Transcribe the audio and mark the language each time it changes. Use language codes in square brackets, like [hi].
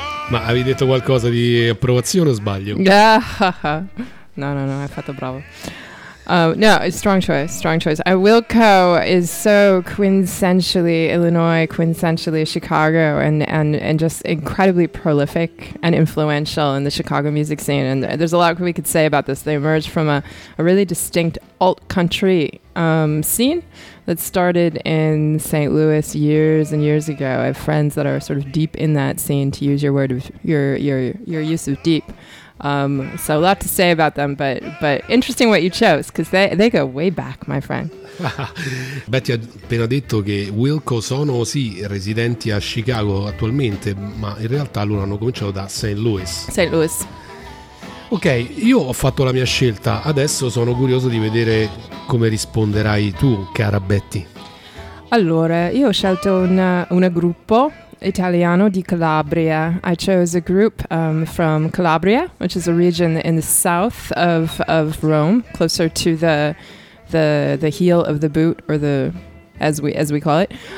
[it] Ma avevi detto qualcosa di approvazione o sbaglio? No, hai fatto bravo. No, [en] strong choice. Wilco is so quintessentially Illinois, quintessentially Chicago, and just incredibly prolific and influential in the Chicago music scene. And there's a lot we could say about this. They emerged from a really distinct alt-country scene that started in St. Louis years and years ago. I have friends that are sort of deep in that scene, to use your word, your use of deep. So a lot to say about them, but interesting what you chose, because they go way back, my friend. [it] Beh, ti ho appena detto che Wilco sono, sì, residenti a Chicago attualmente, ma in realtà loro hanno cominciato da St. Louis. Ok, io ho fatto la mia scelta, adesso sono curioso di vedere come risponderai tu, cara Betty. Allora, io ho scelto un gruppo italiano di Calabria. [en] I chose a group from Calabria, which is a region in the south of Rome, closer to the heel of the boot, or the as we call it.